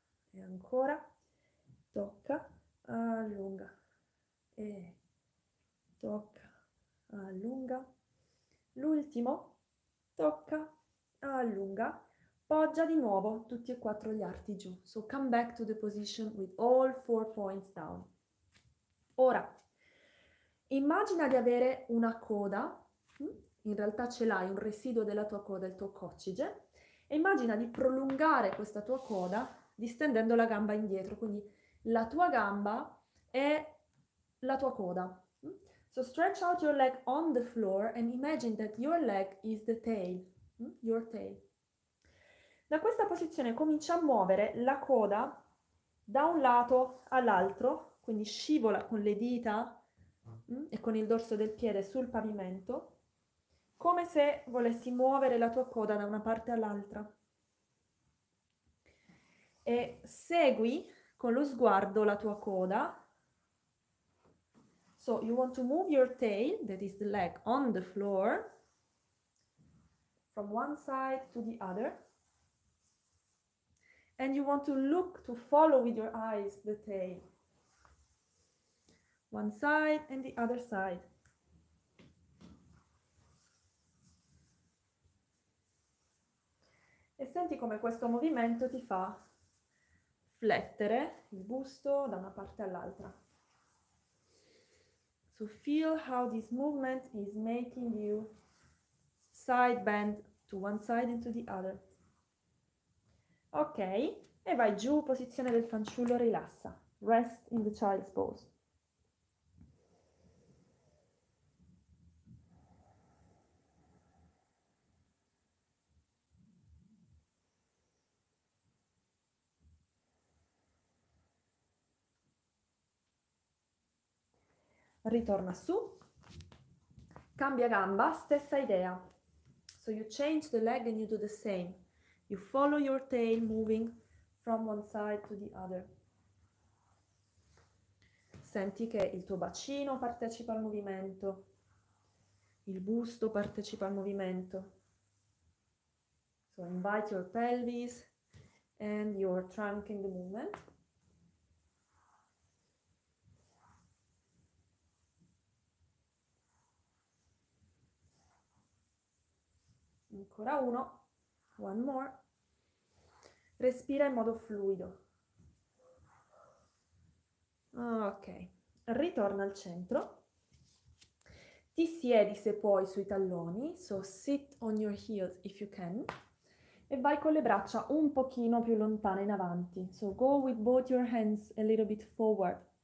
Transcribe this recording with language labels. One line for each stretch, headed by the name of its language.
Italian: E ancora, tocca, allunga. E tocca, allunga. L'ultimo, tocca, allunga. Poggia di nuovo tutti e quattro gli arti giù.
English: So come back to the position with all four points down.
Italian: Ora. Immagina di avere una coda, in realtà ce l'hai, un residuo della tua coda, il tuo coccige, e immagina di prolungare questa tua coda distendendo la gamba indietro, quindi la tua gamba è la tua coda.
English: So stretch out your leg on the floor and imagine that your leg is the tail, your tail.
Italian: Da questa posizione comincia a muovere la coda da un lato all'altro, quindi scivola con le dita e con il dorso del piede sul pavimento, come se volessi muovere la tua coda da una parte all'altra. E segui con lo sguardo la tua coda.
English: So you want to move your tail, that is the leg, on the floor, from one side to the other. And you want to look, to follow with your eyes the tail. One side and the other side.
Italian: E senti come questo movimento ti fa flettere il busto da una parte all'altra.
English: So feel how this movement is making you side bend to one side and to the other.
Italian: Ok, e vai giù, posizione del fanciullo, rilassa.
English: Rest in the child's pose.
Italian: Ritorna su, cambia gamba, stessa idea.
English: So you change the leg and you do the same. You follow your tail moving from one side to the other.
Italian: Senti che il tuo bacino partecipa al movimento, il busto partecipa al movimento.
English: So invite your pelvis and your trunk in the movement.
Italian: Ancora uno,
English: one more.
Italian: Respira in modo fluido. Ok, ritorna al centro. Ti siedi se puoi sui talloni,
English: so sit on your heels if you can.
Italian: E vai con le braccia un pochino più lontane in avanti.
English: So go with both your hands a little bit forward.